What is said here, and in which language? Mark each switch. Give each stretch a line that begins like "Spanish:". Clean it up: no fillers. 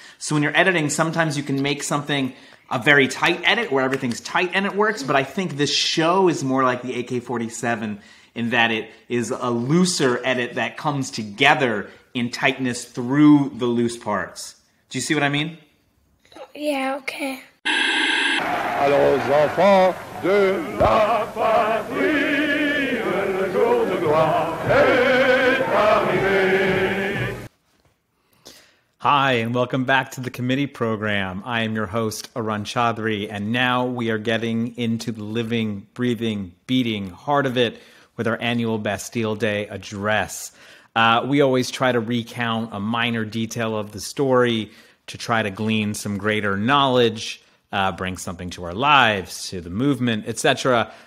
English: So when you're editing, sometimes you can make something a very tight edit where everything's tight and it works. But I think this show is more like the AK-47 in that it is a looser edit that comes together in tightness through the loose parts. Do you see what I mean? Yeah, okay.
French: Alors, enfants de la patrie, le jour de gloire est arrivé.
English: Hi, and welcome back to the committee program. I am your host, Arun Chaudhry, and now we are getting into the living, breathing, beating heart of it with our annual Bastille Day address. We always try to recount a minor detail of the story to try to glean some greater knowledge, bring something to our lives, to the movement, etc.